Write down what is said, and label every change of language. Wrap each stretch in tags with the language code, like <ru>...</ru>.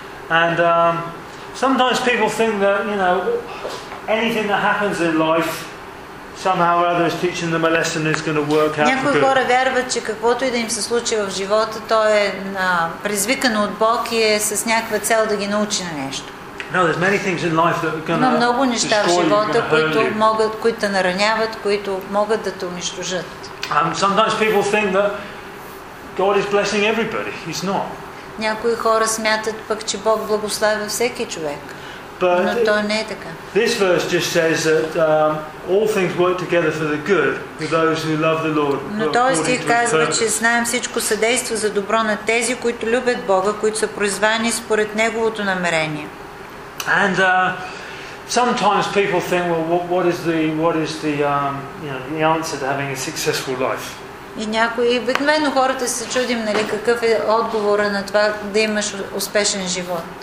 <en>And sometimes people think that, anything that happens in life somehow or other is teaching them a lesson is going to work out.</en> <bg>Някои хора вярват, че каквото и да им се случи в живота, то е предизвикано от Бог и е с някаква цел да ги научи на нещо.</bg> <en>No, there's many things in life that are going to.</en> <bg>Много неща в живота, които нараняват, които могат да те унищожат.</bg> <en>Sometimes people think that God is blessing everybody. He's not.</en> <bg>Някои хора смятат пък, че Бог благославя всеки човек.</bg> <en>But</en> <bg>но то не е така.</bg> <en>This verse just says that all things work together for the good for those who love the Lord.</en> <bg>Но този стих казва, че знаем всичко съдейства за добро на тези, които любят Бога, които са призвани според неговото намерение.</bg> <en>And sometimes people think, well, what is the the answer to having a successful life?</en> <bg>И някои обикновено хората се чудим, нали, какъв е отговора на това да имаш успешен живот.</bg>